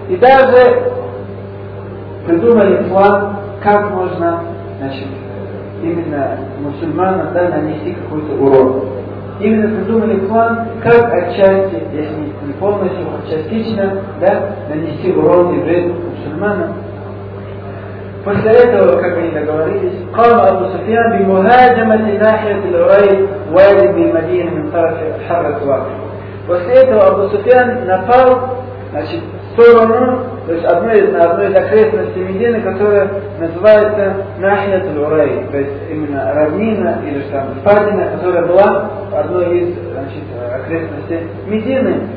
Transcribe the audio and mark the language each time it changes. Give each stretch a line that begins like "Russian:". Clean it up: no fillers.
Russian: И даже придумали план, как можно, значит, именно мусульманам, да, нанести какой-то урок. Именно придумали план, как отчасти, если не полностью, а частично, да, нанести урон и вред мусульманам. После этого, как они договорились,
Arabic: قام أبو سفيان بمهاجمة ناحية العريض وادي بالمدينة من طرف حرة واقع.
Russian: После этого Абу Суфьян напал, значит, в сторону, то есть одной из окрестностей Медины, которая называется Нахьят аль-Урай, то есть именно равнина или же там впадина, которая была одной из, значит, окрестностей Медины.